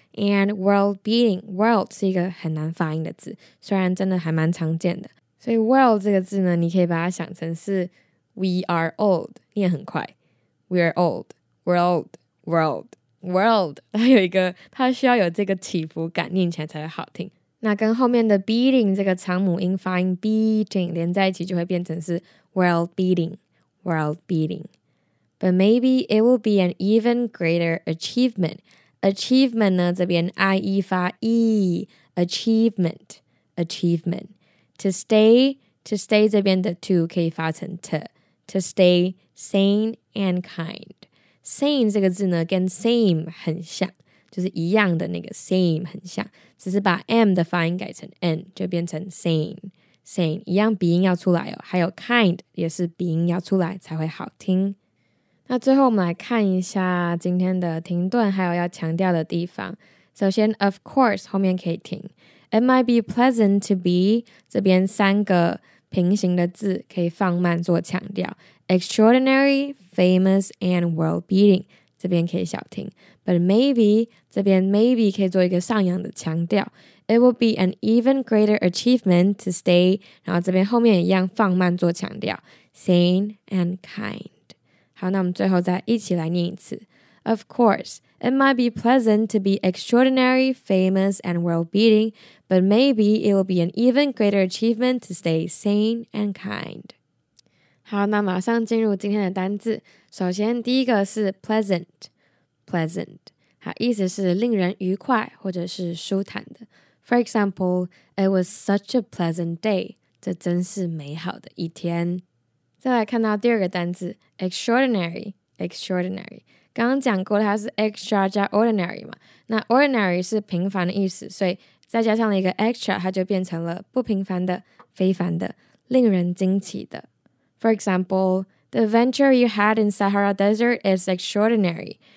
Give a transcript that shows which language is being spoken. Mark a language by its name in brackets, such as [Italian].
[Chinese] And world beating, world 是一个很难发音的字，虽然真的还蛮常见的，所以 world 这个字呢，你可以把它想成是 [English] we are old, [Chinese] 念很快 we are old, world, world, world, 它有一个，它需要有这个起伏感，念起来才会好听。那跟后面的 beating 这个长母音发音 beating 连在一起就会变成是 world beating, world [English] beatingBut maybe it will be an even greater achievement. [Chinese] Achievement 呢，这边 IE 发 E, achievement, achievement. [English] to stay, to stay [Chinese] 这边的 [English] to [Chinese] 可以发成 [English] to, to stay sane and kind. [Chinese] Sane 这个字呢 跟 same 很像, 就是一样的那个 same 很像, 只是把 m 的发音改成 n, 就变成 sane, sane, 一样鼻音要出来哦, 还有 kind 也是鼻音要出来才会好听。那最后我们来看一下今天的停顿还有要强调的地方。首先 of course 后面可以停。 [English] It might be pleasant to be [Chinese] 这边三个平行的字可以放慢做强调。 [English] Extraordinary, famous, and world-beating [Chinese] 这边可以小停。 But maybe 这边 maybe可以做一个上扬的强调。 [English] It will be an even greater achievement to stay [Chinese] 然后这边后面一样放慢做强调。 [English] Sane and kind. [Chinese] 好，那我们最后再一起来念一次。 [English] Of course, it might be pleasant to be extraordinary, famous, and world-beating, but maybe it will be an even greater achievement to stay sane and kind. [Chinese] 好，那马上进入今天的单字。首先，第一个是 pleasant, pleasant. 好，意思是令人愉快或者是舒坦的。 [English] For example, it was such a pleasant day. [Chinese] 这真是美好的一天。再来看到第二个单字 extraordinary, extraordinary. 刚刚讲过它是 extra 加 ordinary 嘛，那 ordinary 是平凡的意思，所以再加上了一个 extra， 它就变成了不平凡的、非凡的、令人惊奇的。 [English] For example, the adventure you had in Sahara Desert is extraordinary.